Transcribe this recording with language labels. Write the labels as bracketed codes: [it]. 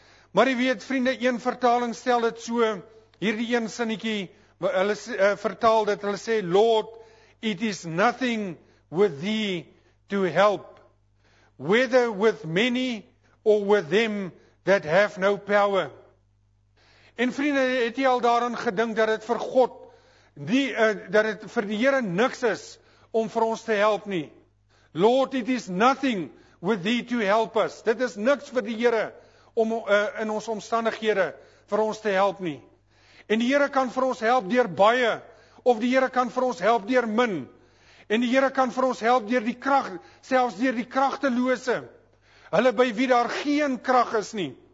[af] Maar jy weet, vriende, een vertaling stel dit so, hierdie een sinnetjie, hulle vertaal dit, hulle sê, [en] Lord, it is nothing with thee to help, whether with many or with them that have no power. [af] En vriende, het jy al daarin gedink dat het vir God, dat het vir die Here niks is om vir ons te help nie? [en] Lord, it is nothing with thee to help us. [af] Dit is niks vir die Here om in ons omstandighede vir ons te help nie. En die Here kan vir ons help deur baie, of die Here kan vir ons help deur min, en die Here kan vir ons help deur die krag, selfs deur die kragtelose, hulle by wie daar geen krag is nie.